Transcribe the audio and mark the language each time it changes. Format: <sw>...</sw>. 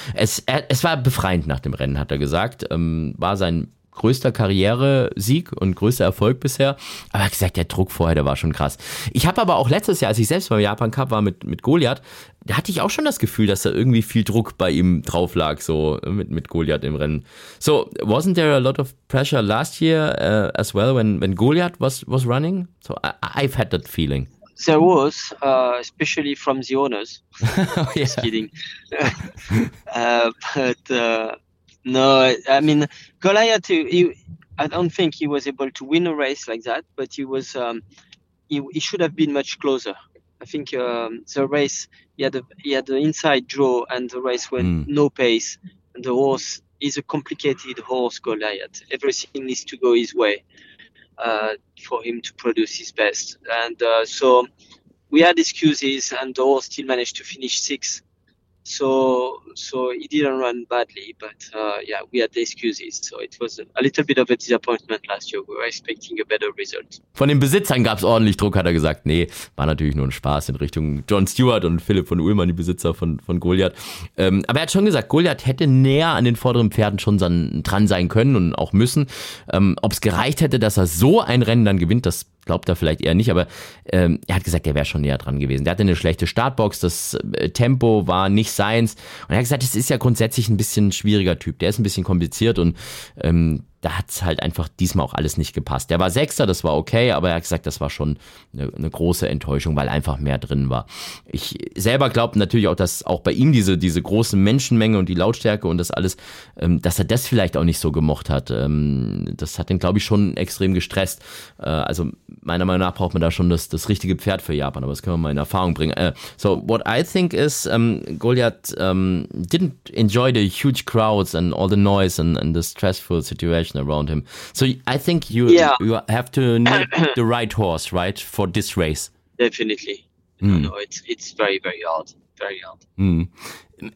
<de>Es war befreiend nach dem Rennen, hat er gesagt, war sein größter Karrieresieg und größter Erfolg bisher. Aber er hat gesagt, der Druck vorher, der war schon krass. Ich habe aber auch letztes Jahr, als ich selbst beim Japan Cup war mit Goliath, da hatte ich auch schon das Gefühl, dass da irgendwie viel Druck bei ihm drauf lag, so mit Goliath im Rennen.</de> <en>So, wasn't there a lot of pressure last year as well when Goliath was running? So, I've had that feeling. There was, especially from the owners. Oh, yeah. Just kidding. but no, I mean, Goliath, I don't think he was able to win a race like that, but he was, he should have been much closer. I think the race, he had an inside draw and the race went no pace. And the horse is a complicated horse, Goliath. Everything needs to go his way for him to produce his best. And so we had excuses and the horse still managed to finish sixth. So he didn't run badly, but yeah, we had the excuses. So it was a little bit of a disappointment last year. We were expecting a better result.</en> <de>Von den Besitzern gab es ordentlich Druck, hat er gesagt. Nee, war natürlich nur ein Spaß in Richtung John Stewart und Philipp von Ullmann, die Besitzer von Goliath. Aber er hat schon gesagt, Goliath hätte näher an den vorderen Pferden schon dran sein können und auch müssen. Ob es gereicht hätte, dass er so ein Rennen dann gewinnt, das glaubt er vielleicht eher nicht, aber er hat gesagt, er wäre schon näher dran gewesen. Der hatte eine schlechte Startbox, das Tempo war nicht seins. Und er hat gesagt, es ist ja grundsätzlich ein bisschen schwieriger Typ. Der ist ein bisschen kompliziert und da hat es halt einfach diesmal auch alles nicht gepasst. Der war Sechster, das war okay, aber er hat gesagt, das war schon eine große Enttäuschung, weil einfach mehr drin war. Ich selber glaube natürlich auch, dass auch bei ihm diese große Menschenmenge und die Lautstärke und das alles, dass er das vielleicht auch nicht so gemocht hat. Das hat ihn, glaube ich, schon extrem gestresst. Also meiner Meinung nach braucht man da schon das richtige Pferd für Japan, aber das können wir mal in Erfahrung bringen.</de> <en>So, what I think is, Goliath didn't enjoy the huge crowds and all the noise and the stressful situation around him. So I think you have to need the right horse, right, for this race. Definitely. No, it's very, very hard. Very hard.</en>